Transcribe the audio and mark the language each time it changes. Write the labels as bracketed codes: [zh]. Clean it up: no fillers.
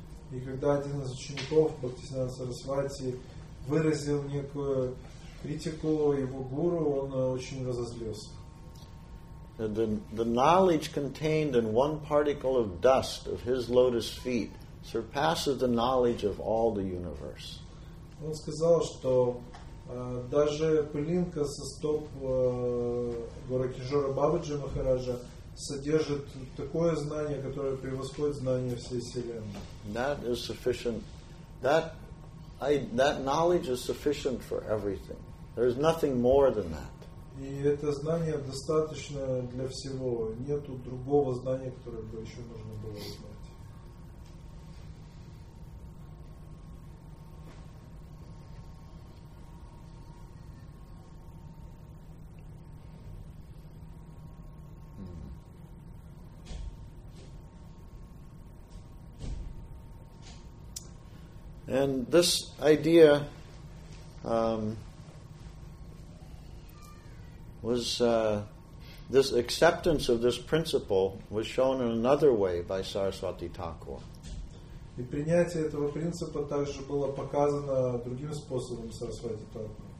[ru] И когда один из учеников Бхактисиддханта Сарасвати выразил некую критику его гуру, он очень разозлился. [en] The knowledge contained in one particle of dust of his lotus feet surpasses the knowledge of all the universe. [ru] Он сказал, что даже пылинка со стоп Гаурикишоре Бабаджи Махараджа содержит такое знание, которое превосходит знание всей вселенной. [en] That is sufficient. That knowledge is sufficient for everything. There is nothing more than that. [ru] И это знание достаточно для всего. Нету другого знания, которое бы еще нужно было узнать. [en] And this idea this acceptance of this principle was shown in another way by Saraswati Thakur. [ru] И принятие этого принципа также было показано другим способом Сарасвати Такур.